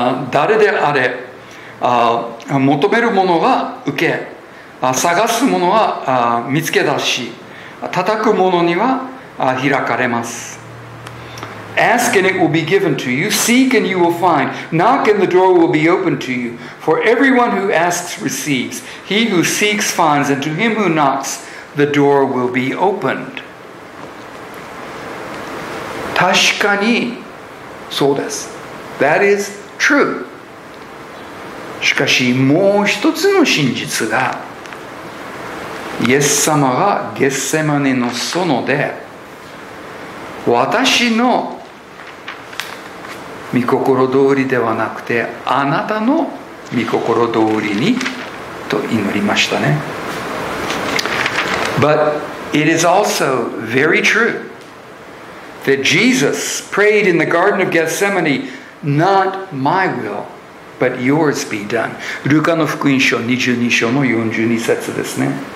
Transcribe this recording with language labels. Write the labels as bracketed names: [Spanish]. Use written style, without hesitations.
[Japanese] 誰であれ、求めるものは受け、探すものは見つけ出し、叩くものには開かれます。 [English] Ask and it will be given to you. Seek and you will find. Knock and the door will be opened to you. For everyone who asks receives. He who seeks finds. And to him who knocks, the door will be opened. [Japanese] 確かにそうです。 [English] That is true. [Japanese] しかしもう一つの真実が、イエス様がゲッセマネの園で、私の御心通りではなくてあなたの御心通りにと祈りましたね。 [English] But it is also very true that Jesus prayed in the Garden of Gethsemane, not my will, but yours be done. [Japanese] ルカの福音書22章の42節ですね。